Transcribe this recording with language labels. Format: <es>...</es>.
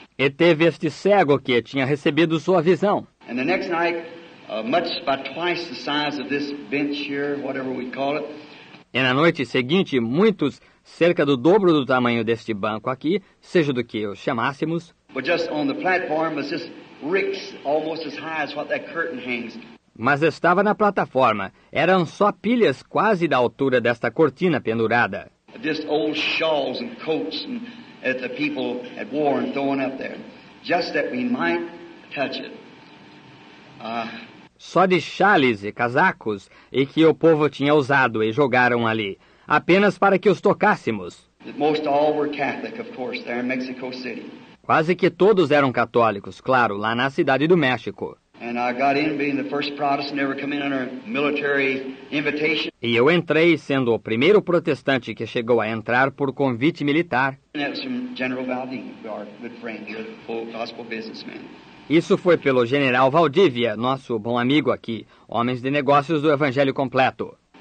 <pt>E teve este cego que tinha recebido sua visão.</pt> <en>And the next night, much by twice the size of this bench here, whatever we call it.</en> <pt>E na noite seguinte, muitos, cerca do dobro do tamanho deste banco aqui, seja do que o chamássemos.</pt> <en>But just on the platform was just ricks almost as high as what that curtain hangs.</en> <pt>Mas estava na plataforma. Eram só pilhas quase da altura desta cortina pendurada.</pt> <en>Just old shawls and coats and that the people had worn throwing up there. Just that we might touch it.</en> <pt>Só de xales e casacos e que o povo tinha usado e jogaram ali, apenas para que os tocássemos.</pt> <en>Most all were Catholic, of course, there in Mexico City.</en> <pt>Quase que todos eram católicos, claro, lá na cidade do México.</pt> <en>And I got in being the first Protestant to ever come in under military invitation.</en> <pt>E eu entrei sendo o primeiro protestante que chegou a entrar por convite militar.</pt> <en>And that was from General Valdez, our good friend, the full gospel businessman.</en> <pt>Isso foi pelo General Valdivia, nosso bom amigo aqui, homens de negócios do Evangelho Completo.</pt>